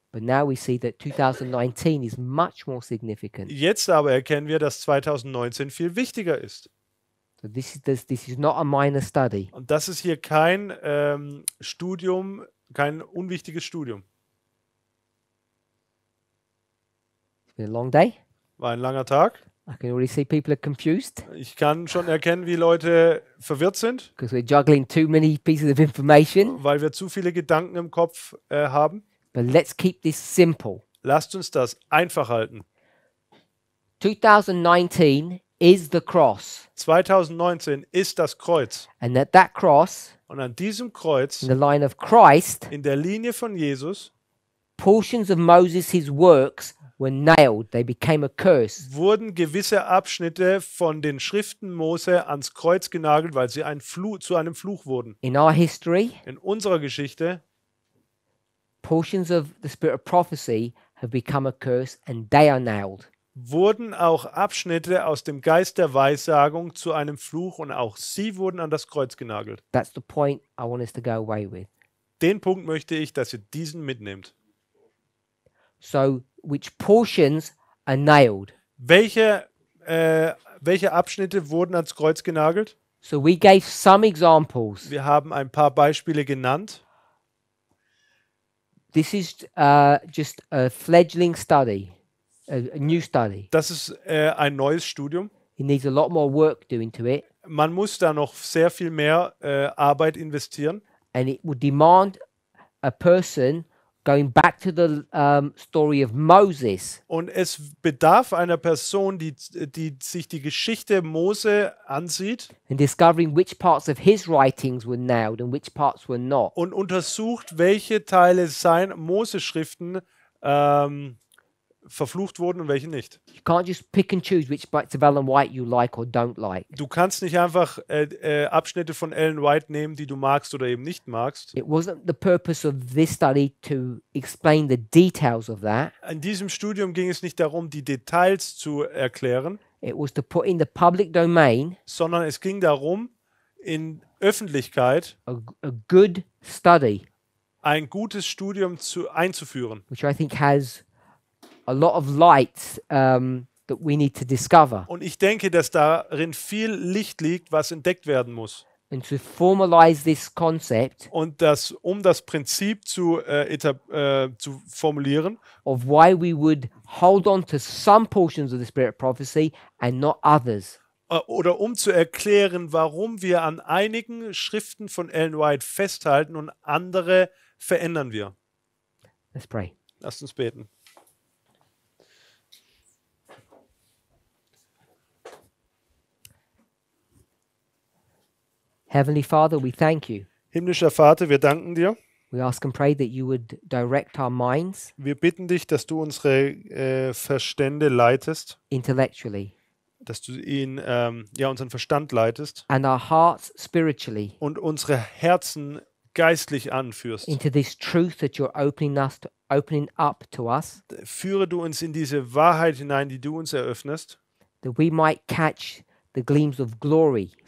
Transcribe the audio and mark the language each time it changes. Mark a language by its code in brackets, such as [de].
[en] But now we see that 2019 is much more significant. [de] Jetzt aber erkennen wir, dass 2019 viel wichtiger ist. [en] So this is not a minor study. [de] Und das ist hier kein Studium, kein unwichtiges Studium. [en] It's been a long day. [de] War ein langer Tag. [en] I can already see people are confused. [de] Ich kann schon erkennen, wie Leute verwirrt sind. [en] Because we're juggling too many pieces of information. [de] Weil wir zu viele Gedanken im Kopf haben. [en] But let's keep this simple. [de] Lasst uns das einfach halten. [en] 2019 is the cross. [de] 2019 ist das Kreuz. [en] And at that cross, [de] und an diesem Kreuz, [en] in the line of Christ, [de] in der Linie von Jesus, [en] portions of Moses' works were nailed. They became a curse. [de] Wurden gewisse Abschnitte von den Schriften Mose ans Kreuz genagelt, weil sie zu einem Fluch wurden. [en] In our history, [de] in unserer Geschichte, [en] portions of the spirit of prophecy have become a curse and they are nailed. [de] Wurden auch Abschnitte aus dem Geist der Weissagung zu einem Fluch und auch sie wurden an das Kreuz genagelt. [en] That's the point I want us to go away with. [de] Den Punkt möchte ich, dass ihr diesen mitnehmt. [en] So, which portions are nailed? [de] Welche Abschnitte wurden ans Kreuz genagelt? [en] So we gave some examples. [de] Wir haben ein paar Beispiele genannt. [en] This is just a fledgling study, a new study. [de] Das ist ein neues Studium. [en] It needs a lot more work doing to it. [de] Man muss da noch sehr viel mehr Arbeit investieren. [en] And it would demand a person going back to the story of Moses. [de] Und es bedarf einer Person, die sich die Geschichte Mose ansieht. [en] And discovering which parts of his writings were nailed and which parts were not. [de] Und untersucht, welche Teile sein Mose-Schriften verflucht wurden und welche nicht. [en] You can't just pick and choose which parts of Ellen White you like or don't like. [de] Du kannst nicht einfach Abschnitte von Ellen White nehmen, die du magst oder eben nicht magst. [en] It wasn't the purpose of this study to explain the details of that. [de] In diesem Studium ging es nicht darum, die Details zu erklären. [en] It was to put in the public domain. [de] Sondern es ging darum, in Öffentlichkeit [en] a good study, [de] ein gutes Studium einzuführen. [en] Which I think has a lot of light that we need to discover. [de] Und ich denke, dass darin viel Licht liegt, was entdeckt werden muss. [en] And to formalize this concept, [de] und das, um das Prinzip zu formulieren, [en] of why we would hold on to some portions of the spirit of prophecy and not others. [de] Oder um zu erklären, warum wir an einigen Schriften von Ellen White festhalten und andere verändern wir. [en] Let's pray. [de] Lasst uns beten. [en] Heavenly Father, we thank you. [de] Himmlischer Vater, wir danken dir. [en] We ask and pray that you would direct our minds. [de] Wir bitten dich, dass du unsere Verstände leitest. [en] Intellectually. [de] Dass du ihn unseren Verstand leitest. [en] And our hearts spiritually. [de] Und unsere Herzen geistlich anführst. [en] Into this truth that you're opening up to us. [de] Führe du uns in diese Wahrheit hinein, die du uns eröffnest. [en] That we might catch the gleams of glory.